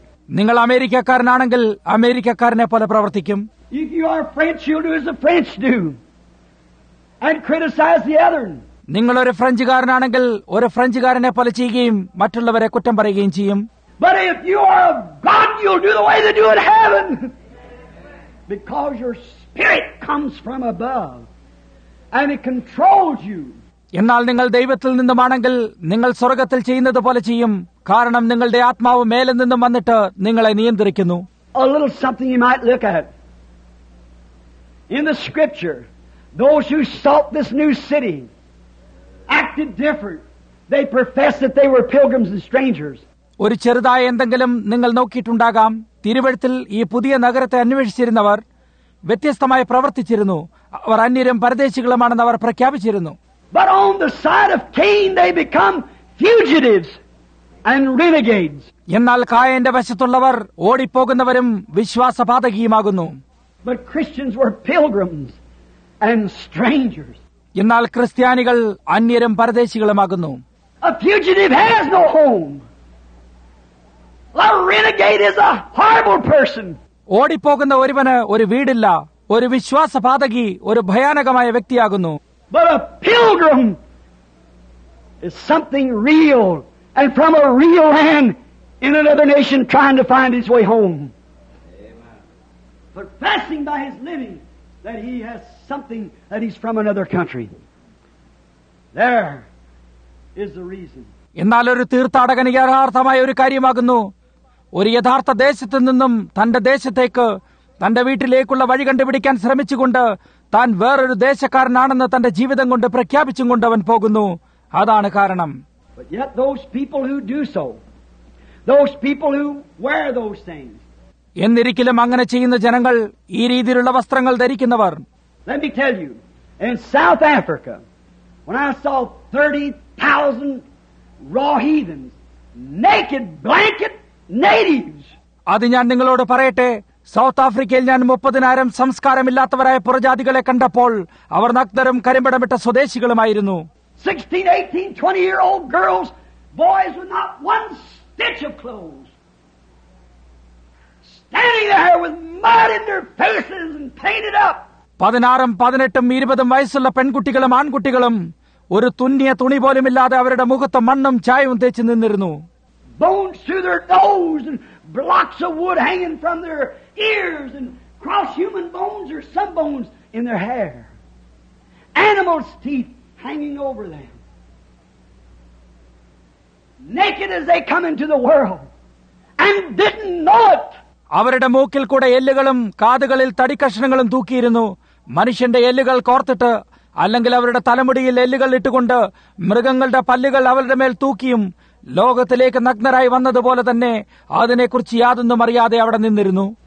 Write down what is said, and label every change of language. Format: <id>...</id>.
<ml>നിങ്ങൾ അമേരിക്കക്കാരനാണെങ്കിൽ അമേരിക്കക്കാരനെ പോലെ പ്രവർത്തിക്കും.</ml> <en>If you are French, you'll do as the French do and criticize the other.</en> <ml>നിങ്ങൾ ഒരു ഫ്രഞ്ചുകാരനാണെങ്കിൽ ഒരു ഫ്രഞ്ചുകാരനെ പോലെ ചെയ്യുകയും മറ്റുള്ളവരെ കുറ്റം പറയുകയും ചെയ്യും.</ml> <en>But if you are of God, you'll do the way they do in heaven. Because your spirit comes from above and it controls you.</en> <ml>എന്നാൽ നിങ്ങൾ ദൈവത്തിൽ നിന്നുമാണെങ്കിൽ നിങ്ങൾ സ്വർഗത്തിൽ ചെയ്യുന്നത് പോലെ ചെയ്യും. കാരണം നിങ്ങളുടെ ആത്മാവ് മേലെ നിന്നും വന്നിട്ട് നിങ്ങളെ നിയന്ത്രിക്കുന്നു.</ml> <en>A little something you might look at. In the scripture, those who sought this new city acted different. They professed that they were pilgrims and strangers.</en> <ml>ഒരു ചെറുതായ എന്തെങ്കിലും നിങ്ങൾ നോക്കിയിട്ടുണ്ടാകാം. തിരുവെഴുത്തിൽ ഈ പുതിയ നഗരത്തെ അന്വേഷിച്ചിരുന്നവർ വ്യത്യസ്തമായി പ്രവർത്തിച്ചിരുന്നു. അവർ അന്യരും പരദേശികളുമാണെന്ന് അവർ പ്രഖ്യാപിച്ചിരുന്നു.</ml> <en>But on the side of Cain, they become fugitives and renegades.</en> <ml>എന്നാൽ കായന്റെ വശത്തുള്ളവർ ഓടിപ്പോകുന്നവരും വിശ്വാസപാതകിയുമാകുന്നു.</ml> <en>But Christians were pilgrims and strangers.</en> <ml>എന്നാൽ ക്രിസ്ത്യാനികൾ അന്യരും പരദേശികളുമാകുന്നു.</ml> <en>A fugitive has no home. A renegade is a horrible person.</en> <ml>ഓടിപ്പോകുന്ന ഒരുവന് ഒരു വീടില്ല. ഒരു വിശ്വാസപാതകി ഒരു ഭയാനകമായ വ്യക്തിയാകുന്നു.</ml> <en>But a pilgrim is something real and from a real land in another nation trying to find his way home. Professing by his living that he has something, that he's from another country. There is the reason.</en> <ml>എന്നാൽ ഒരു തീർത്ഥാടകന് യഥാർത്ഥമായ ഒരു കാര്യമാകുന്നു, ഒരു യഥാർത്ഥ ദേശത്തു നിന്നും തന്റെ ദേശത്തേക്ക് തന്റെ വീട്ടിലേക്കുള്ള വഴി കണ്ടുപിടിക്കാൻ ശ്രമിച്ചുകൊണ്ട് താൻ വേറൊരു ദേശക്കാരനാണെന്ന് തന്റെ ജീവിതം കൊണ്ട് പ്രഖ്യാപിച്ചും കൊണ്ട് അവൻ പോകുന്നു. അതാണ് കാരണം.</ml> <en>But yet those people who do so, those people who wear those things,</en> <ml>എന്നിരിക്കലും അങ്ങനെ ചെയ്യുന്ന ജനങ്ങൾ, ഈ രീതിയിലുള്ള വസ്ത്രങ്ങൾ ധരിക്കുന്നവർ,</ml> <en>let me tell you, in South Africa, when I saw 30,000 raw heathens, naked, blanket natives,</en> <ml>അത് ഞാൻ നിങ്ങളോട് പറയട്ടെ, സൌത്ത് ആഫ്രിക്കയിൽ ഞാൻ 30,000 സംസ്കാരമില്ലാത്തവരായ പുറജാതികളെ കണ്ടപ്പോൾ അവർ നഗ്നരും കരിമ്പടമിട്ട സ്വദേശികളുമായിരുന്നു.</ml> <en>16, 18, 20 year old girls, boys with not one stitch of clothes. Standing there with mud in their faces and painted up.</en> <ml>16, 18, 20 വയസ്സുള്ള പെൺകുട്ടികളും ആൺകുട്ടികളും ഒരു തുന്നിയ തുണി പോലുമില്ലാതെ അവരുടെ മുഖത്ത് മണ്ണും ചായവും തേച്ച് നിന്നിരുന്നു.</ml> <en>Bones through their nose and blocks of wood hanging from their ears and cross human bones or some bones in their hair. Animal's teeth hanging over them. Naked as they come into the world and didn't know it.</en> <ml>അവരുടെ മൂക്കിൽ കൂടെ എല്ലുകളും കാതുകളിൽ തടിക്കഷ്ണങ്ങളും തൂക്കിയിരുന്നു. മനുഷ്യന്റെ എല്ലുകൾ കോർത്തിട്ട് അല്ലെങ്കിൽ അവരുടെ തലമുടിയിൽ എല്ലുകൾ ഇട്ടുകൊണ്ട് മൃഗങ്ങളുടെ പല്ലുകൾ അവരുടെ മേൽ തൂക്കിയും ലോകത്തിലേക്ക് നഗ്നരായി വന്നതുപോലെ തന്നെ അതിനെക്കുറിച്ച് യാതൊന്നും അറിയാതെ അവിടെ നിന്നിരുന്നു.</ml>